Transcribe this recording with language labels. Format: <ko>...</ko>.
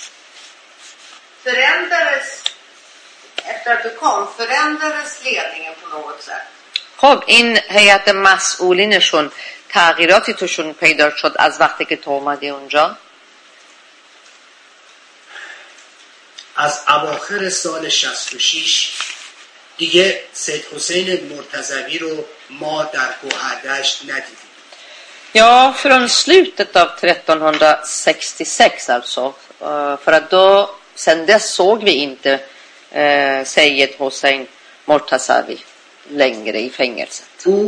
<sv>Och förändrades efter att du kom, förändrades ledningen på något sätt?</sv> <fa>خب این هیئت مسئولینشون تغییراتی توشون پیدا شد از وقتی که تو اومدی اونجا؟ از اواخر سال 66 دیگه سید حسین مرتضوی رو ما در گوهردشت ندیدیم.</fa> <sv>Ja, från slutet av 1366 alltså. För att då, sen dess såg vi inte Seyyed Hussein Murtazavi längre i fängelset.</sv>